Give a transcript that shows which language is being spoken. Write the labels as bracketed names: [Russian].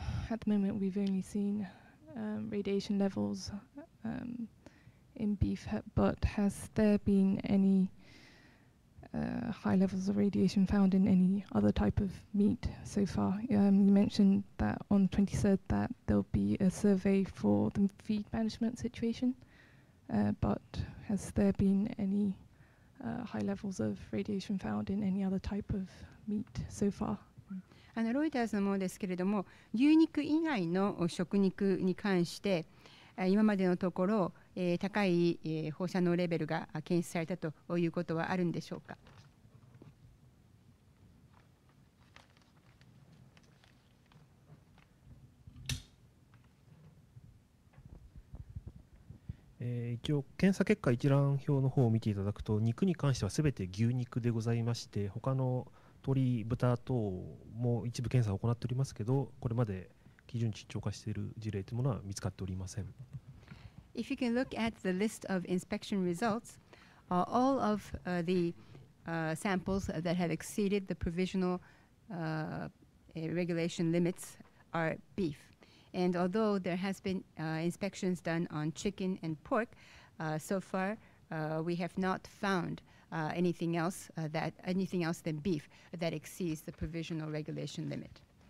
[English] At the moment, we've only seen radiation levels in beef, but has there been any high levels of radiation found in any other type of meat so far? You mentioned that on the 23rd that there'll be a survey for the feed management situation. But has there been any high levels of radiation found in any other type of meat so far? [Japanese] ロイターズのものですけれども、牛肉以外の食肉に関して、今までのところ、高い、放射能レベルが検出されたということはあるんでしょうか。一応検査結果一覧表の方を見ていただくと、肉に関してはすべて牛肉でございまして、他の鶏豚等も一部検査を行っておりますけど、これまで基準値超過している事例というものは見つかっておりません。 [English] If you can look at the list of inspection results, all of the samples that have exceeded the provisional regulation limits are beefAnd although there has been inspections done on chicken and pork, so far we have not found anything else that anything else than beef that exceeds the provisional regulation limit.